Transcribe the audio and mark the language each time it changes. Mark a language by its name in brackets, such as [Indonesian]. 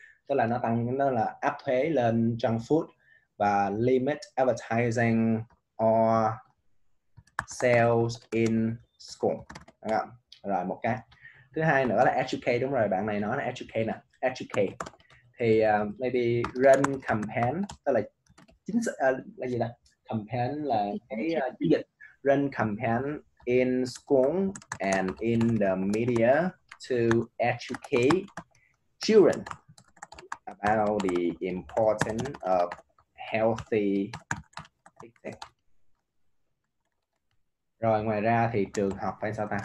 [Vietnamese] Tức là nó tăng, nó là áp thuế lên junk food và [English] limit advertising or sales in school. [Vietnamese] Đúng không? Rồi một cái. Thứ hai nữa là educate, đúng rồi, bạn này nói là educate nè. Educate. Thì maybe run campaign, tức là chính là gì đó? Campaign là cái chiến dịch. [English] Run campaign in school and in the media to educate children about the importance of healthy eating. [Vietnamese] Rồi ngoài ra thì trường học phải sao ta?